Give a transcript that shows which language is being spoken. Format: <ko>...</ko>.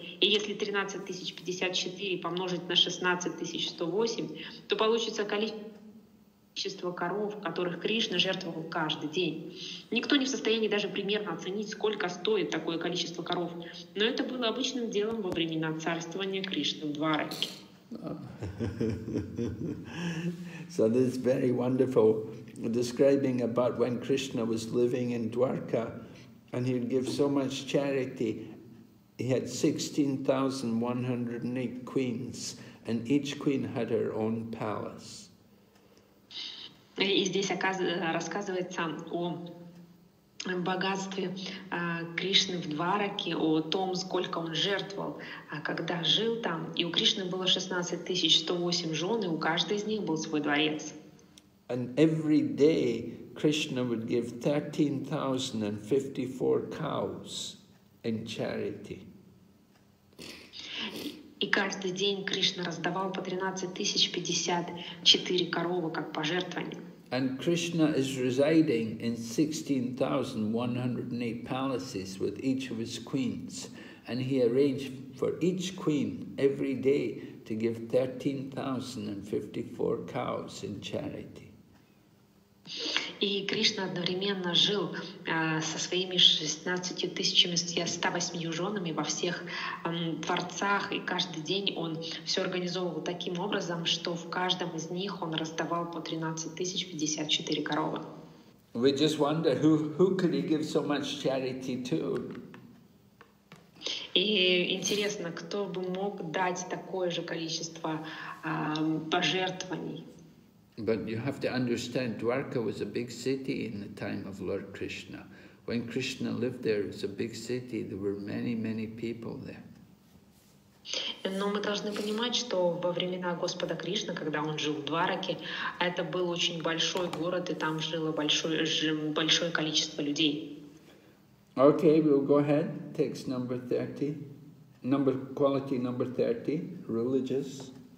<ru>И если 13 054 помножить на 16 108, то получится количество коров, которых Кришна жертвовал каждый день. Никто не в состоянии даже примерно оценить, сколько стоит такое количество коров. Но это было обычным делом во времена царствования Кришны в Двараке.</ru> <en>So this is very wonderful, describing about when Krishna was living in Dwarka and he'd give so much charity. He had 16,108 queens and each queen had her own palace.</en> <ru>И здесь рассказывается о богатстве Кришны в Двараке, о том, сколько он жертвовал, когда жил там. И у Кришны было 16 108 жен, и у каждой из них был свой дворец.</ru> <en>And every day Krishna would give 13,054 cows in charity.</en> <ru>И каждый день Кришна раздавал по 13,054 коровы как пожертвование.</ru> <en>And Krishna is residing in 16,108 palaces with each of his queens, and he arranged for each queen every day to give 13,054 cows in charity.</en> <ru>И Кришна одновременно жил со своими 16 108 женами во всех дворцах, и каждый день он все организовывал таким образом, что в каждом из них он раздавал по 13 054 коровы.</ru> <en>We just wonder who could he give so much charity to?</en> <ru>И интересно, кто бы мог дать такое же количество пожертвований?</ru> <en>But you have to understand, Dwarka was a big city in the time of Lord Krishna. When Krishna lived there, it was a big city. There were many, many people there.</en> <ru>Но мы должны понимать, что во времена Господа Кришны, когда он жил в Двараке, это был очень большой город, и там жило большое количество людей.</ru> <en>Okay, we'll go ahead. Text number 30. Quality number 30. Religious.</en>